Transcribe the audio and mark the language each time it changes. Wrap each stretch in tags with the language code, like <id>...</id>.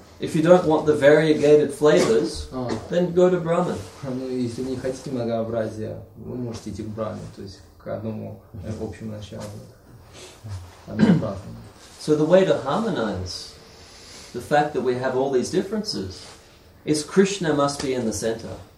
<en>If you don't want the variegated flavors, then go to Brahman.</en> <ru>Ну, если не хотите многообразия, вы можете идти к Брахме, то есть к одному общему началу.</ru> <en>So the way to harmonize the fact that we have all these differences is Krishna must be in the center.</en>